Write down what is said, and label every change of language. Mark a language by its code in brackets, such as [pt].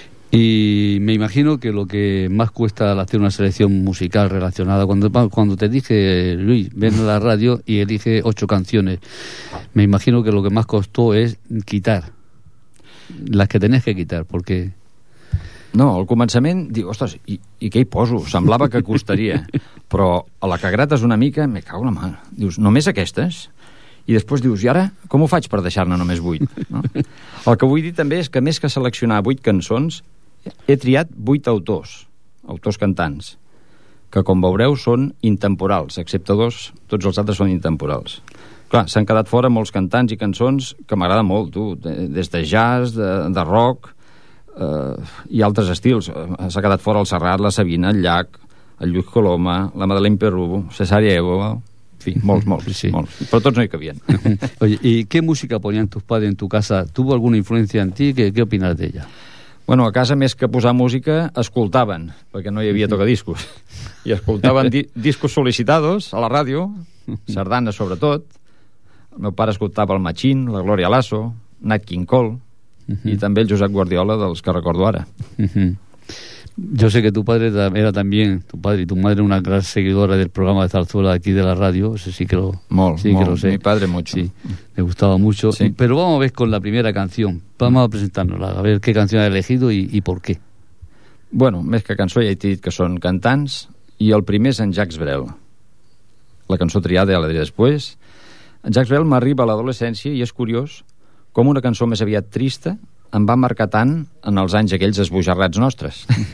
[es] Y me imagino que lo que más cuesta al hacer una selección musical relacionada, cuando te dije, Luis, ven a la radio y elige 8 canciones, me imagino que lo que más costó es quitar las que tenés que quitar, porque... [ca] No, al començament, digo, ostres, i què hi poso? Semblava que costaria, però a la que grates una mica, me cago la mà. Dius, només aquestes? I després dius, i ara, com ho faig per deixar-ne només 8? No? El que vull dir també és que més que seleccionar 8 cançons, he triat 8 autors cantants, que com veureu són intemporals, excepte dos, tots els altres són intemporals. Clar, s'han quedat fora molts cantants i cançons que m'agrada molt, tu, des de jazz, de rock, i altres estils. S'ha quedat fora el Serrat, la Sabina, el Llach, el Lluís Coloma, la Madeleine Perú, Cesària Évora, en fi, molts. Però tots no hi cabien. [es] Oye, ¿y qué música ponían tus padres en tu casa? ¿Tuvo alguna influencia en ti? ¿Qué opinas de ella? [ca] Bueno, a casa, més que posar música, escoltaven, perquè no hi havia tocadiscos. I escoltaven discos sol·licitados a la ràdio, sardana sobretot. El meu pare escoltava el Machín, la Gloria Lasso, Nat King Cole, i també el Josep Guardiola, dels que recordo ara. [es] Yo sé que tu padre era también, tu padre y tu madre, una gran seguidora del programa de Zarzuela aquí de la ràdio, eso sí que lo... Molt, sí que lo sé. Mi padre mucho. Sí, me gustaba mucho. Sí. Pero vamos a ver con la primera canción. Vamos a presentárnosla, a ver qué canción ha elegido y por qué. [ca] Bueno, més que cançó ja he dit que són cantants, i el primer és en Jacques Brel. La cançó triada ja la diré després. En Jacques Brel m'arriba a l'adolescència i és curiós com una cançó més aviat trista em va marcar tant en els anys aquells esbojarrats nostres.